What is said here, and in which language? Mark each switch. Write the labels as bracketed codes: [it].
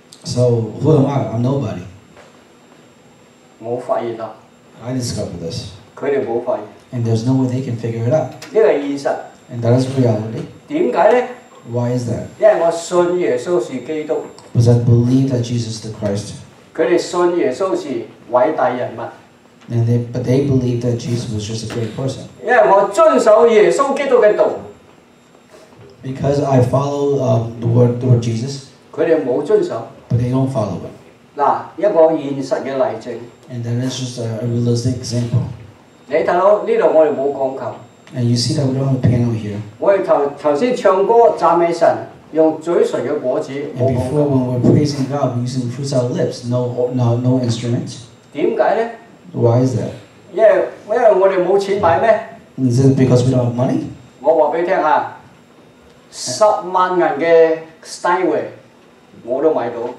[en] So, who am I? I'm nobody. [zh] 我發現了。 [en] I discovered this. [zh] 他們沒發現。 [en] And there's no way they can figure it out. [zh] 這是現實。 [en] And that is reality. [zh] 為什麼呢? [en] Why is that? [zh] 因為我信耶穌是基督。 [en] Because I believe that Jesus is the Christ. [zh] 他們信耶穌是偉大人物。 [en] But they believe that Jesus was just a great person. [zh] 因為我遵守耶穌基督的道。 [en] Because I follow the word Jesus. [zh] 他們沒有遵守。 [en] But they don't follow it. [zh] 一個現實的例證。 [en] And then it's just a realistic example. [zh] 你看到這裡我們沒有鋼琴。 [en] And you see that we don't have a piano here. [zh] 我們剛才唱歌讚美神用嘴唇的果子。 [en] And before when we're praising God, we're using fruits of our lips, no instruments. [zh] 為什麼呢? [en] Why is that? [zh] 因為我們沒有錢買嗎? [en] Is it because we don't have money? [zh] 我告訴你啊, 10萬元的 Steinway, 我都買到。